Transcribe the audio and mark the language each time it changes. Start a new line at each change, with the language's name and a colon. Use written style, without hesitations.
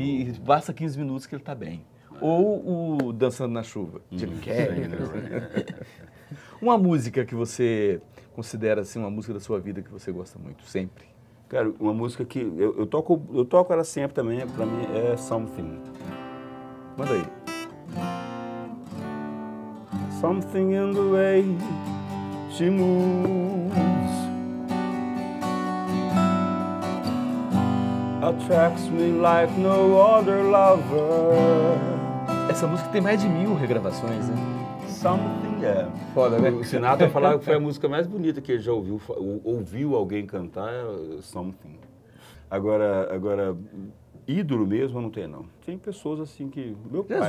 Portuguese: E basta 15 minutos que ele está bem. Ou o Dançando na Chuva, Jim Carrey. Né? Uma música que você considera assim, uma música da sua vida que você gosta muito, sempre? Cara, uma música que eu toco ela sempre também, pra mim é Something. Manda aí.
English: Something in the way she moves attracts me like no other lover.
Portuguese: Essa música tem mais de 1000 regravações, né? Something, é. Foda, né? O Sinatra falava que foi a música mais bonita que ele já ouviu, ouviu alguém cantar, Something. Agora, ídolo mesmo não tem, não. Tem pessoas assim que... Meu Jesus pai...